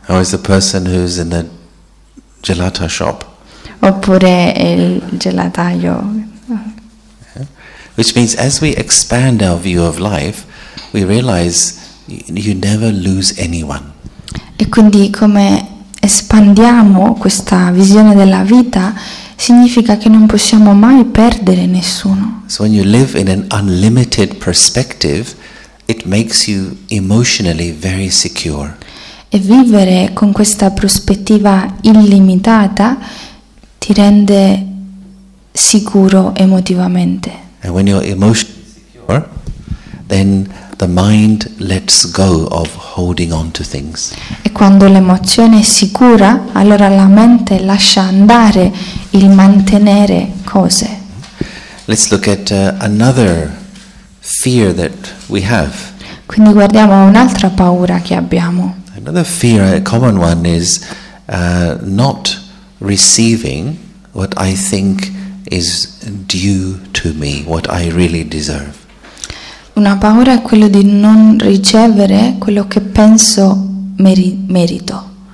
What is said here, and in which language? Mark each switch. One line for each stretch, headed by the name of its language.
English: Or it's the person who's in the gelato shop.
Italian: Oppure il gelataio.
English: Which means as we expand our view of life, we realize you never lose anyone.
Italian: E quindi come espandiamo questa visione della vita, significa che non possiamo mai perdere nessuno.
English: So when you live in an unlimited perspective, it makes you emotionally very secure.
Italian: E vivere con questa prospettiva illimitata ti rende sicuro emotivamente.
English: And when you're emotionally secure, then the mind lets go of holding on to things.
Italian: E quando l'emozione è sicura, allora la mente lascia andare il mantenere cose.
English: Let's look at another fear that we have.
Italian: Quindi guardiamo un'altra paura che abbiamo.
English: Another fear, a common one, is not receiving what I think is due to me, what I really deserve.
Italian: Una paura è quello di non ricevere quello che penso merito.